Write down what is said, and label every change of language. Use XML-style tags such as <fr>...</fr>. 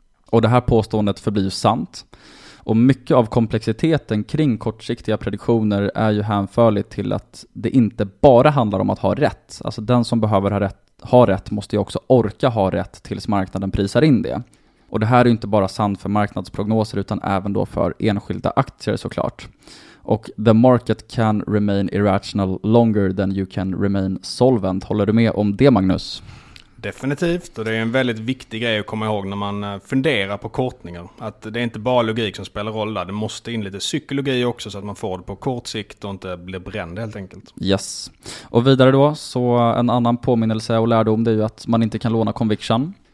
<sv>Och det här påståendet förblir ju sant. Och mycket av komplexiteten kring kortsiktiga prediktioner är ju hänförligt till att det inte bara handlar om att ha rätt. Alltså den som behöver ha rätt måste ju också orka ha rätt tills marknaden prisar in det. Och det här är inte bara sant för marknadsprognoser utan även då för enskilda aktier såklart. Och</sv> <en>the market can remain irrational longer than you can remain solvent.</en> <sv>Håller du med om det, Magnus? Definitivt, och det är en väldigt viktig grej att komma ihåg när man funderar på kortningar. Att det är inte bara logik som spelar roll där. Det måste in lite psykologi också så att man får det på kort sikt och inte blir bränd helt enkelt. Yes, och vidare då så en annan påminnelse och lärdom, det är ju att man inte kan låna conviction.</sv>